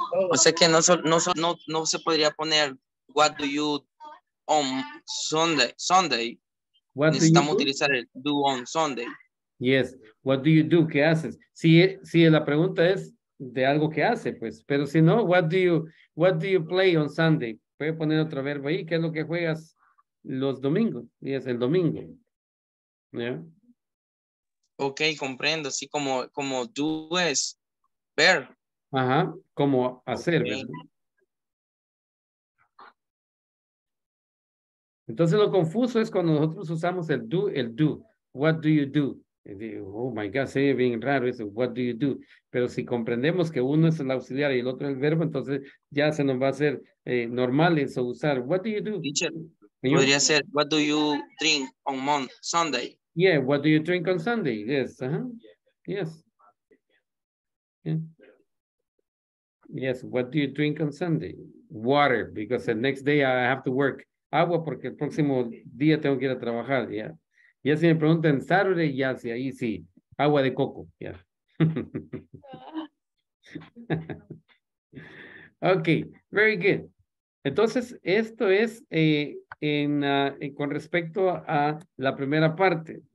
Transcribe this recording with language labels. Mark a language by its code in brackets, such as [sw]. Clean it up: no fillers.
[es] O sea que no se podría poner [en] what do you on Sunday. What necesitamos do you utilizar do? El do on Sunday. Yes. What do you do? [es] ¿Qué haces? Si, si la pregunta es de algo que hace, pues. Pero si no, [en] what do you play on Sunday? [es] Voy a poner otro verbo ahí. ¿Qué es lo que juegas los domingos? Y es el domingo. Yeah. Ok, comprendo. Así como do es ver. Ajá, como hacer. Okay. Entonces lo confuso es cuando nosotros usamos el do. [en] What do you do? Oh my God, [es] se ve bien raro eso. [en] What do you do? [es] Pero si comprendemos que uno es el auxiliar y el otro el verbo, entonces ya se nos va a hacer normal eso usar. [en] What do you do? Teacher, [es] podría ser, [en] what do you drink on Sunday? Yeah, what do you drink on Sunday? Yes. Uh-huh. Yes. Yeah. Yes, what do you drink on Sunday? Water, because the next day I have to work. [es] Agua, porque el próximo día tengo que ir a trabajar, yeah. Ya si me preguntan Saturday, ya sí, ahí sí. Agua de coco, ya. [en] Yeah. Ok, very good. [es] Entonces, esto es con respecto a la primera parte.